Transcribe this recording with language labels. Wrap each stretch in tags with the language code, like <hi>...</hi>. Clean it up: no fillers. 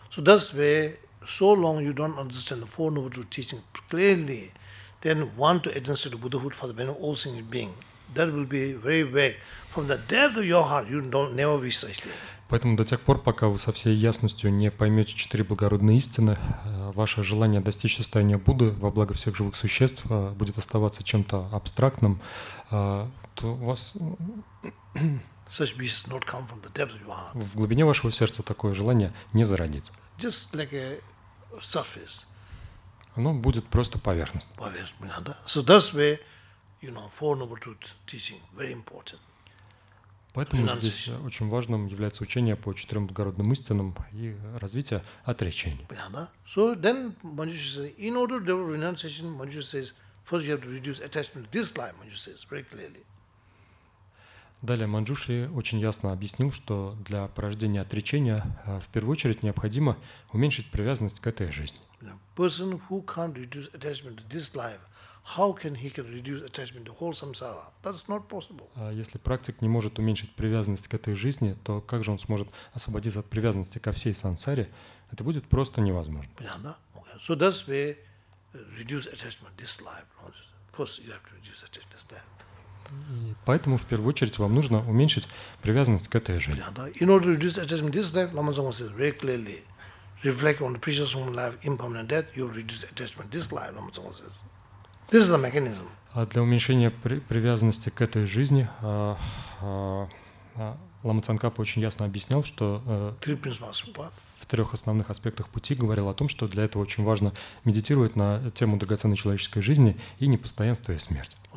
<en>So that's where, so long you don't understand the four noble truth teaching clearly, then want to administer the Buddhahood for the benefit of all sentient beings. That will be very vague. From the depth of your heart, you don't never wish such thing.</en> <ru>Поэтому до тех пор, пока вы со всей ясностью не поймете четыре благородные истины, ваше желание достичь состояния Будды во благо всех живых существ будет оставаться чем-то абстрактным, то у вас...</ru> <en>Such wishes not come from the depth of your heart.</en> <ru>В глубине вашего сердца такое желание не зародится.</ru> <en>Just like a surface.</en> <ru>Оно будет просто поверхностным. Поверхностно, да?</ru> <en>So that's where, you know, four noble truth teaching very important.</en> <ru>Поэтому здесь очень важным является учение по четырем благородным истинам и развитие отречения. Понятно?</ru> <en>So then Manjushri says, in order to develop renunciation, Manjushri says, first you have to reduce attachment to this life, Manjushri says, very clearly.</en> <ru>Далее Манджушри очень ясно объяснил, что для порождения отречения в первую очередь необходимо уменьшить привязанность к этой жизни.</ru> <en>Person who can't reduce attachment to this life, how can he can reduce attachment to whole samsara? That's not possible.</en> <ru>Если практик не может уменьшить привязанность к этой жизни, то как же он сможет освободиться от привязанности ко всей сансаре? Это будет просто невозможно. Понятно?</ru> <en>Okay. So that's why reduce attachment this life. First you have to reduce attachment this life.</en> <ru>И поэтому в первую очередь вам нужно уменьшить привязанность к этой жизни. Понятно?</ru> <en>In order to reduce attachment this life, Lama Tsongkhapa says very clearly. Reflect on the precious human life, impermanent death, you reduce attachment this life, Lama Tsongkhapa says. This is the mechanism.</en> <ru>Для уменьшения привязанности к этой жизни Лама Цанкапа очень ясно объяснял, что в трех основных аспектах пути говорил о том, что для этого очень важно медитировать на тему драгоценной человеческой жизни и непостоянство и смерть.</ru>